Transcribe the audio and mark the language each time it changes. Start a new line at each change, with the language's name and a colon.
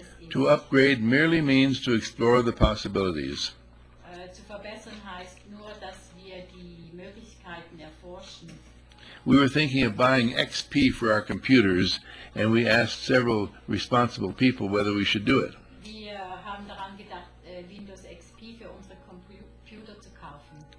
English: To upgrade merely means to explore the possibilities.
German: Zu verbessern heißt nur, dass wir die Möglichkeiten erforschen.
English: We were thinking of buying XP for our computers, and we asked several responsible people whether we should do it.
German: Wir haben daran gedacht, Windows XP für unsere Computer zu kaufen.